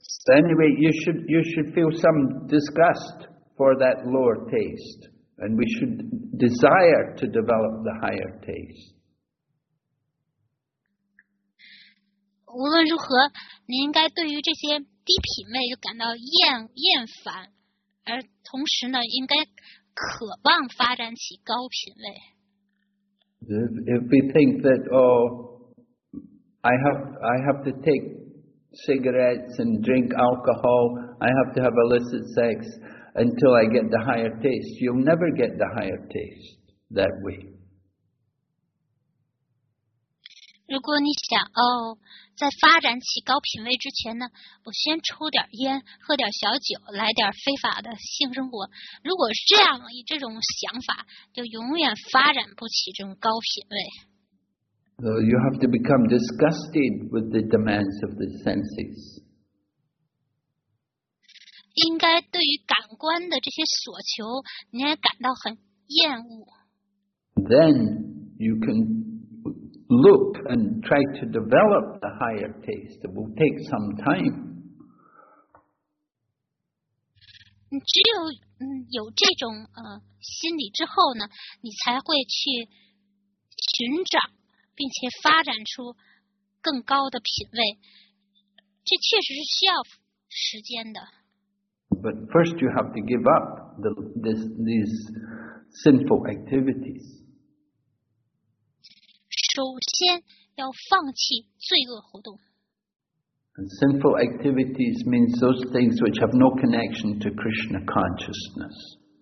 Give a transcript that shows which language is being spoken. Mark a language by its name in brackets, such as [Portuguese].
[English] Anyway, you should feel some disgust for that lower taste, and we should desire to develop the higher taste. [Chinese] 无论如何，你应该对于这些低品味就感到厌烦，而同时呢，应该渴望发展起高品味。 [English] If we think that, oh, I have to take cigarettes and drink alcohol, I have to have illicit sex until I get the higher taste, you'll never get the higher taste that way. [Chinese] 如果你想，哦，在发展起高品位之前呢，我先抽点烟，喝点小酒，来点非法的性生活。如果是这样，以这种想法，就永远发展不起这种高品位。 [English] So you have to become disgusted with the demands of the senses. [Chinese] 应该对于感官的这些所求，你也感到很厌恶。 [English] Then you can look and try to develop the higher taste. It will take some time. [Chinese] 只有有这种心理之后呢，你才会去寻找。并且发展出更高的品位，这确实是需要时间的。 [English] But first, you have to give up these sinful activities. [Chinese] 首先要放弃罪恶活动。 [English] And sinful activities means those things which have no connection to Krishna consciousness.